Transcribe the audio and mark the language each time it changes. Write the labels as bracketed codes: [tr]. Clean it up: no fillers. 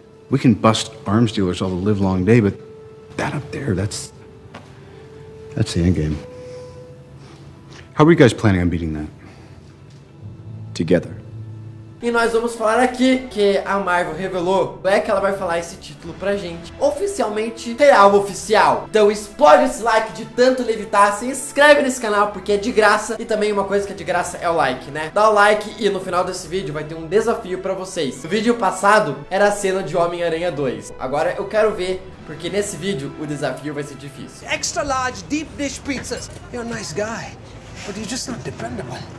[en] We can bust arms dealers all the live long day, but that up there, that's the endgame. How are you guys planning on beating that? Together. [pt] E nós vamos falar aqui que a Marvel revelou como é que ela vai falar esse título pra gente oficialmente, real oficial. Então explode esse like de tanto levitar, se inscreve nesse canal porque é de graça, e também uma coisa que é de graça é o like, né? Dá o like, e no final desse vídeo vai ter um desafio pra vocês. No vídeo passado era a cena de Homem-Aranha 2, agora eu quero ver, porque nesse vídeo o desafio vai ser difícil. [en] Extra large deep dish pizzas. You're a nice guy, but you're just not dependable.